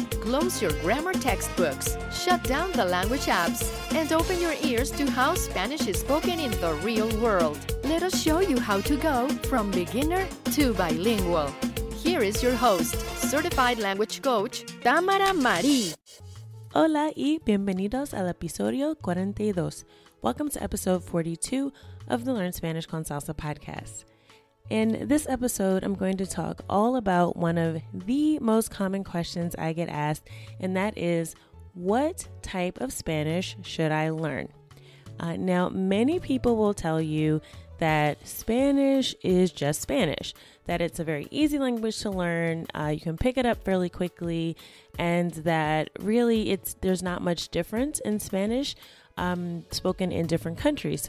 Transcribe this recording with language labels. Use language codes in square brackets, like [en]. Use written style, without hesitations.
[en] Close your grammar textbooks, shut down the language apps, and open your ears to how Spanish is spoken in the real world. Let us show you how to go from beginner to bilingual. Here is your host, certified language coach, Tamara Marie. [es] Hola y bienvenidos al episodio 42. [en] Welcome to episode 42 of the Learn Spanish con Salsa podcast. In this episode, I'm going to talk all about one of the most common questions I get asked, and that is, what type of Spanish should I learn? Now, many people will tell you that Spanish is just Spanish, that it's a very easy language to learn, you can pick it up fairly quickly, and that really there's not much difference in Spanish spoken in different countries.